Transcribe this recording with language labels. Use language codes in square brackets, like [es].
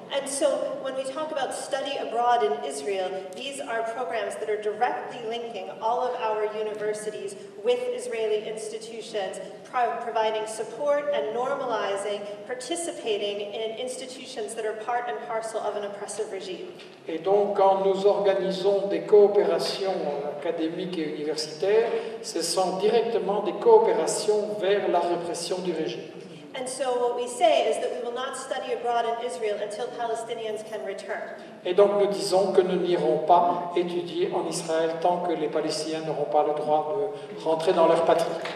[en] And so, when we talk about study abroad in Israel, these are programs that are directly linking all of our universities with Israeli institutions, providing support and normalizing, participating in institutions that are part and parcel of an oppressive regime. [fr] Et donc, quand nous organisons des coopérations académiques et universitaires, ce sont directement des coopérations vers la répression du régime. [en] And so what we say is that we will not study abroad in Israel until Palestinians can return. [fr] Et donc nous disons que nous n'irons pas étudier en Israël tant que les Palestiniens n'auront pas le droit de rentrer dans leur patrie.